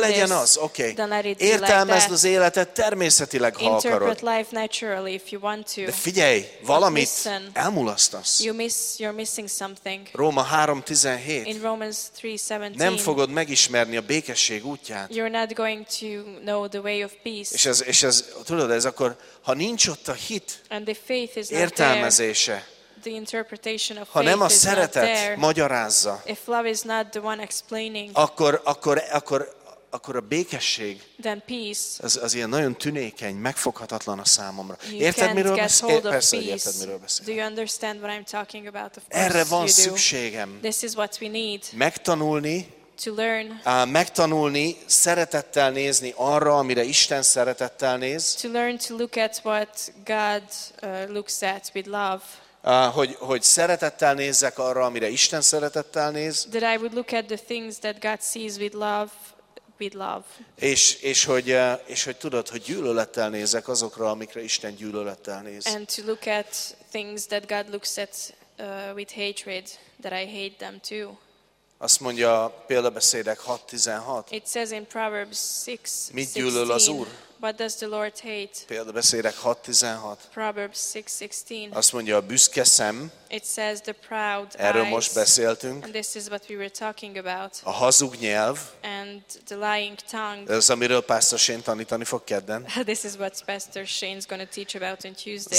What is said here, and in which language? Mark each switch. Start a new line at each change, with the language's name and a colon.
Hungarian: legyen
English: this,
Hungarian: az. Okay.
English: Then let it be
Hungarian: értelmezd
English: like
Hungarian: az életet természetileg, ha akarod.
English: But life naturally if you want to.
Hungarian: De figyelj, valamit elmulasztasz.
English: You're missing something.
Hungarian: Róma 3:17.
English: In Romans 3:17.
Hungarian: Nem fogod megismerni a békesség útját.
English: You're not going to know the way of peace.
Hungarian: És ez tudod, ez akkor ha nincs ott a hit.
English: And the faith is
Hungarian: értelmezése.
English: The interpretation of
Hungarian: faith, ha nem a szeretet magyarázza.
English: If love is not the one explaining.
Hungarian: Akkor a békesség
English: then peace,
Hungarian: az ilyen nagyon tünékeny, megfoghatatlan a számomra. Érted, miről beszélek? Persze, hogy érted, miről beszélek.
English: Do you understand what I'm talking about? Of course.
Hungarian: Erre van szükségem.
English: This is what we need.
Hungarian: Megtanulni.
English: To learn.
Hungarian: Megtanulni szeretettel nézni arra, amire Isten szeretettel néz.
English: To learn to look at what God looks at with love.
Hungarian: Hogy szeretettel nézzek arra, amire Isten szeretettel néz.
English: That I would look at the things that God sees with love. With love.
Hungarian: És hogy tudod, hogy gyűlölettel nézek azokra, amikre Isten gyűlölettel néz.
English: And to look at things that God looks at with hatred, that I hate them too.
Hungarian: Azt mondja Példabeszédek 6:16.
English: It says in Proverbs 6,
Hungarian: mit gyűlöl az Úr?
English: What does the Lord hate?
Hungarian: Példabeszédek 6:16.
English: Proverbs 6:16.
Hungarian: Azt mondja a büszke szem.
English: It says the proud eyes.
Hungarian: Erről most beszéltünk.
English: And this is what we were talking about.
Hungarian: A hazug nyelv.
English: And the lying tongue.
Hungarian: Ez az, amiről Pastor Shane tanítani fog kedden.
English: This is what Pastor Shane's going to teach about on Tuesday.